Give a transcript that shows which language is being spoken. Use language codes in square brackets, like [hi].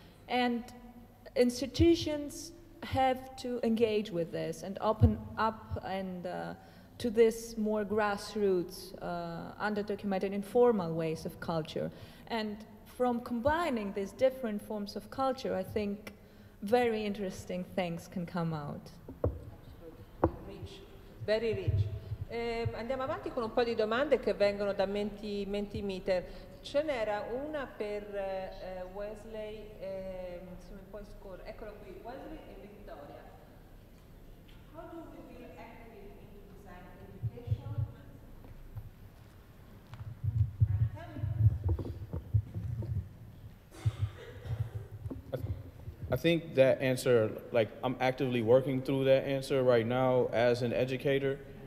[en] And institutions have to engage with this and open up and to this more grassroots, underdocumented, informal ways of culture. And from combining these different forms of culture, I think very interesting things can come out. Rich. Very rich. [it] Andiamo avanti con un po' di domande che vengono da Mentimeter. Ce n'era una per Wesley, se mi puoi scorrere. Eccolo qui, Wesley e Victoria. [en] How do we feel active in design education? I think that answer, like, I'm actively working through that answer right now as an educator.